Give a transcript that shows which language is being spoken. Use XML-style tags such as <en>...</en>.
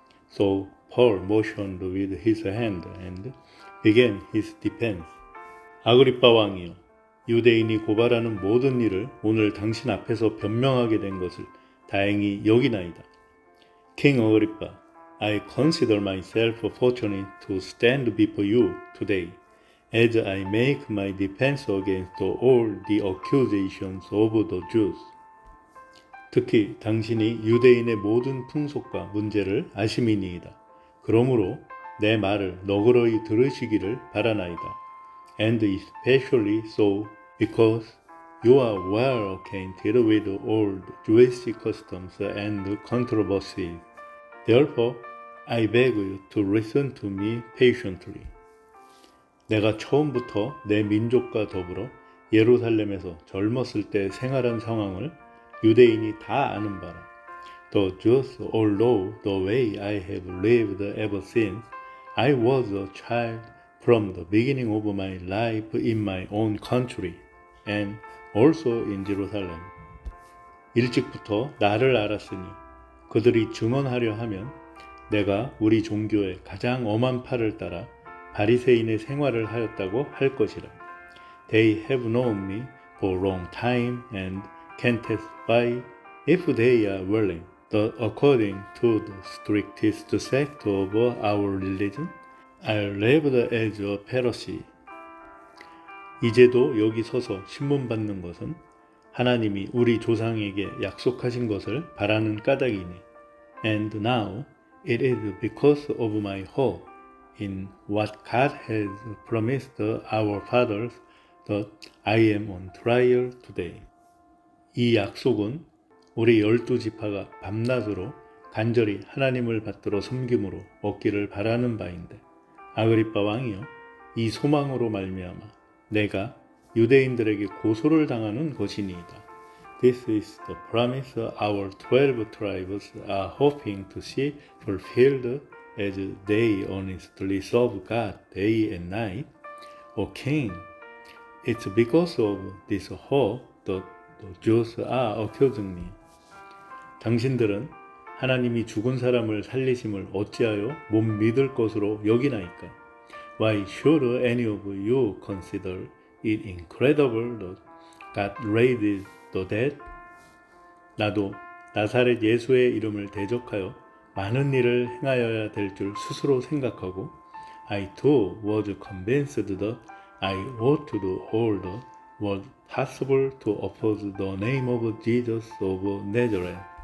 <en>So Paul motioned with his hand and began his defense.</en> <ko>아그립바 왕이여 유대인이 고발하는 모든 일을 오늘 당신 앞에서 변명하게 된 것을 다행히 여기나이다.</ko> <en>King Agrippa, I consider myself fortunate to stand before you today, as I make my defense against all the accusations of the Jews.</en> <ko>특히 당신이 유대인의 모든 풍속과 문제를 아심이니이다. 그러므로 내 말을 너그러이 들으시기를 바라나이다.</ko> <en>And especially so, Because you are well acquainted with old Jewish customs and controversies. Therefore, I beg you to listen to me patiently.</en> <ko>내가 처음부터 내 민족과 더불어 예루살렘에서 젊었을 때 생활한 상황을 유대인이 다 아는 바라.</ko> <en>The Jews all know the way I have lived ever since I was a child from the beginning of my life in my own country. And also in Jerusalem.</en> <ko>일찍부터 나를 알았으니 그들이 증언하려 하면 내가 우리 종교의 가장 엄한 파를 따라 바리새인의 생활을 하였다고 할 것이라.</ko> <en>They have known me for a long time and can testify if they are willing that according to the strictest sect of our religion, I lived as a Pharisee.</en> <ko>이제도 여기 서서 신문 받는 것은 하나님이 우리 조상에게 약속하신 것을 바라는 까닭이니</ko> <en>And now it is because of my hope in what God has promised our fathers that I am on trial today.</en> <ko>이 약속은 우리 열두 지파가 밤낮으로 간절히 하나님을 받들어 섬김으로 얻기를 바라는 바인데 아그립바 왕이여 이 소망으로 말미암아 내가 유대인들에게 고소를 당하는 것이니이다.</ko> <en>This is the promise our 12 tribes are hoping to see fulfilled as they honestly serve God day and night. O king, it's because of this hope that the Jews are accusing me.</en> <ko>당신들은 하나님이 죽은 사람을 살리심을 어찌하여 못 믿을 것으로 여기나이까?</ko> <en>Why should any of you consider it incredible that God raises the dead?</en> <ko>나도 나사렛 예수의 이름을 대적하여 많은 일을 행하여야 될 줄 스스로 생각하고</ko> <en>I too was convinced that I ought to do all that was possible to oppose the name of Jesus of Nazareth.</en>